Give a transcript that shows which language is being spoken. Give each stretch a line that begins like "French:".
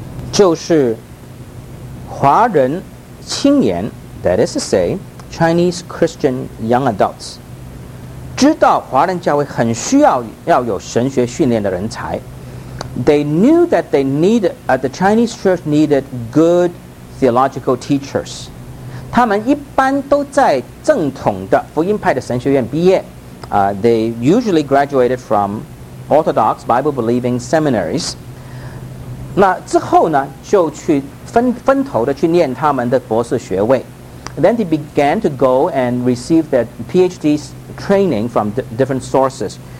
Chinese: 就是华人青年 ，
English: that is to say Chinese Christian young adults，
Chinese: 知道华人教会很需要要有神学训练的人才。
English: They knew that they needed、the Chinese church needed good theological teachers。
Chinese: 他们一般都在正统的福音派的神学院毕业。
English: They usually graduated from Orthodox Bible believing seminaries。
Chinese: 那之后呢，就去。分头的去念他们的博士学位
English: ，then they began to go and receive their PhD training from different sources.